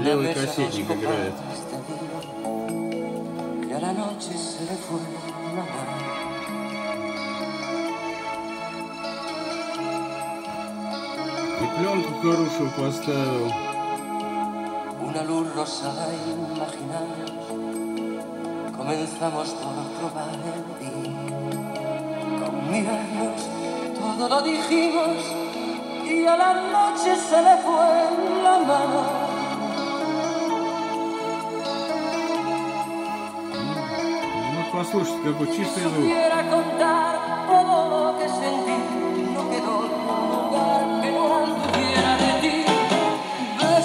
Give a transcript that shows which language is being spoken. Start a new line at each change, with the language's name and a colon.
Russian: Левый кассетник играет. И пленку хорошую поставил.
Spanish: Una luz rosa imaginaria. Comenzamos por probar el día. Con mirarnos todo lo dijimos y a la noche se le fue la mano.
Russian: No послушать, как бы чистый звук.
Spanish: Quisiera contar todo lo que sentí. No quedó lugar que no tuviera de ti.